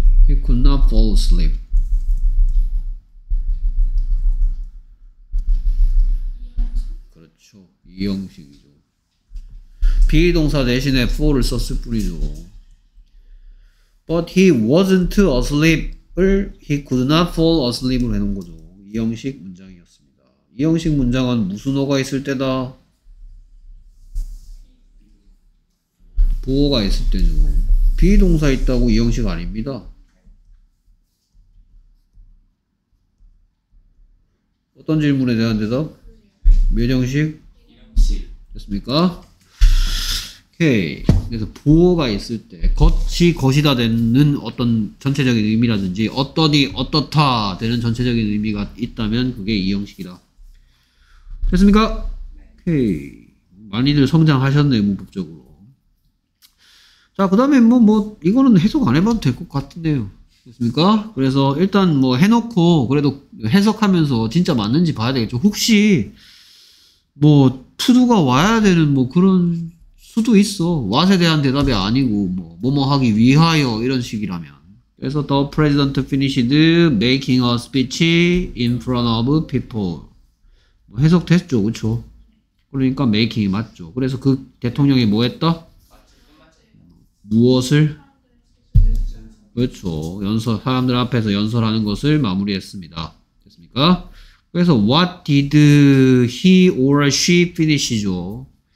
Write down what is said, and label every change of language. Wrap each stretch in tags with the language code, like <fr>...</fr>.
<en>He could not fall asleep.</en> <ko>그렇죠. 이 형식이죠. 비동사 대신에 for를 썼을 뿐이죠. But he wasn't asleep을 he could not fall asleep을 해놓은 거죠. 이 형식 문장이었습니다. 이 형식 문장은 무슨 어가 있을 때다? 보어가 있을 때죠. 비동사 있다고 이 형식 아닙니다. 어떤 질문에 대한 대답? 몇 형식? 됐습니까? 오케이. 그래서 보어가 있을 때 것이 것이다 되는 어떤 전체적인 의미라든지 어떠니 어떻다 되는 전체적인 의미가 있다면 그게 이 형식이다. 됐습니까? 오케이. 많이들 성장하셨네요. 문법적으로. 자, 그 다음에 뭐 이거는 해석 안 해봐도 될 것 같은데요. 됐습니까? 그래서 일단 뭐 해놓고 그래도 해석하면서 진짜 맞는지 봐야 되겠죠. 혹시 뭐 투두가 와야 되는 뭐 그런 수도 있어. What에 대한 대답이 아니고 뭐뭐 하기 위하여 이런 식이라면. 그래서</ko> <en>the president finished making a speech in front of people.</en> <ko>해석 됐죠. 그쵸? 그러니까 making이 맞죠. 그래서 그 대통령이 뭐 했다? 무엇을? 그렇죠. 연설, 사람들 앞에서 연설하는 것을 마무리했습니다. 됐습니까? 그래서</ko> <en>what did he or she finish죠.</en>